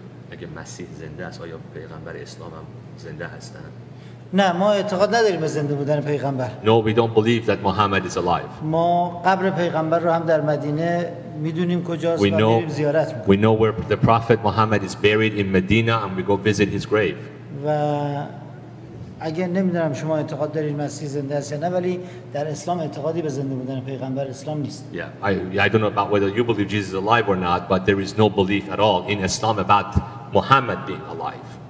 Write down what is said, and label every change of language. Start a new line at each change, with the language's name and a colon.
Persian: اگه مسیح زنده است آیا پیغمبر اسلام هم زنده هستند؟ نه ما اعتقاد نداریم زنده بودن پیغمبر.
English: No, we don't believe that Muhammad is alive.
Persian: ما قبر پیغمبر رو هم در مدینه میدونیم کجاست و میریم زیارت میکنیم.
English: We know where the Prophet Muhammad is buried in Medina and we go visit his grave.
Persian: و اگه نمیدونم شما اعتقاد دارید مسیح زنده است یا نه ولی در اسلام اعتقادی به زنده بودن پیغمبر اسلام نیست.
English: Yeah, I don't know about whether you believe Jesus is alive or not, but there is no belief at all in Islam about Muhammad being alive.